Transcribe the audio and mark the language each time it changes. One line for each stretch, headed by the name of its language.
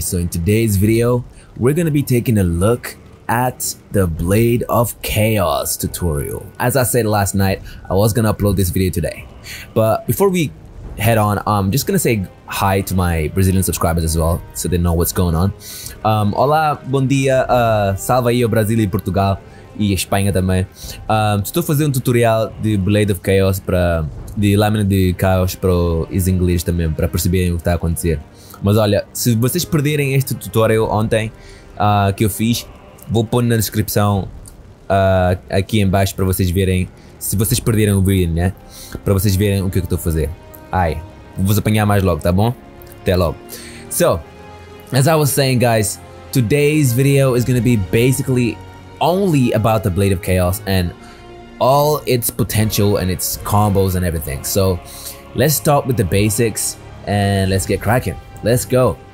English: So in today's video, we're gonna be taking a look at the Blade of Chaos tutorial. As I said last night, I was gonna upload this video today. But before we head on, I'm just gonna say hi to my Brazilian subscribers as well, so they know what's going on.
Portuguese: Olá, bom dia, salve aí o Brasil e Portugal e Espanha também. Estou fazendo um tutorial de Blade of Chaos para de lâmina de caos para os ingleses também, para perceberem o que está a acontecer. Mas olha, se vocês perderem este tutorial ontem que eu fiz, vou pôr na descrição aqui em baixo para vocês verem, se vocês perderem o vídeo, né? Para vocês verem o que eu estou a fazer. Ai, vou-vos apanhar mais logo, tá bom? Até logo.
English: So, as I was saying guys, today's video is going to be basically only about the Blade of Chaos and all its potential and its combos and everything. So let's start with the basics and let's get cracking. Let's go.